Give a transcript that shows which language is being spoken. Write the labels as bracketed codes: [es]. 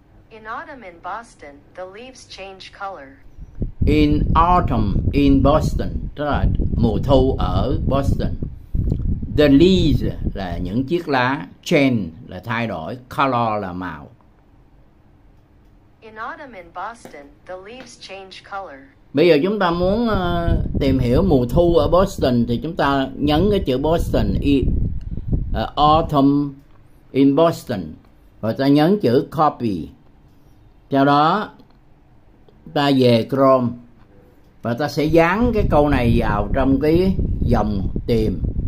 [en] In autumn in Boston, the leaves change color. In autumn in Boston, [vi] tức là mùa thu ở Boston. The leaves là những chiếc lá, change là thay đổi, color là màu. [en] In autumn in Boston, the leaves change color. [vi] Bây giờ chúng ta muốn tìm hiểu mùa thu ở Boston thì chúng ta nhấn cái chữ Boston, [en] autumn in Boston, [vi] rồi ta nhấn chữ copy. Sau đó ta về Chrome và ta sẽ dán cái câu này vào trong cái dòng tìm.